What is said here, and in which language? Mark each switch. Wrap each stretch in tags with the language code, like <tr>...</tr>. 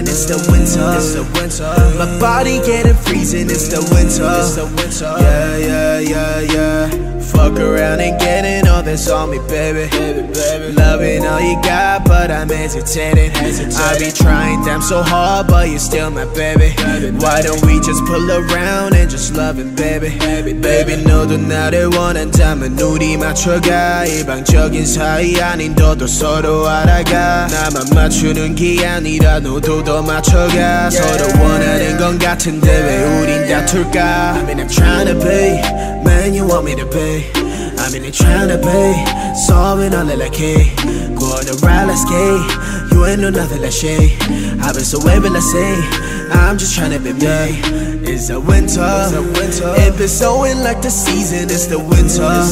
<en>It's the winter. My body getting freezing. It's the winter. fuck around and getting all this on me, baby. Loving all you got, but I'm hesitating. I be trying damn so hard, but you're still my baby. Why don't we just pull around and just love it, baby?</en> <ko>Baby, 너도 나를 원한다면 우리 맞춰가. 일방적인 사이 아닌 너도 서로 알아가. 나만 맞추는 게 아니라 너도 더 맞춰가. 서로 원하는 건 같은데 왜 우린 다툴까?</ko> <en>I mean I'm trying to be, man you want me to be. I mean I'm trying to be, solving all that I can. Go on the ride, let's skate, you ain't know nothing like shade. I've been so wavy, let's say, I'm just trying to be me. It's the winter, if it's snowing like the season, it's the winter.</en>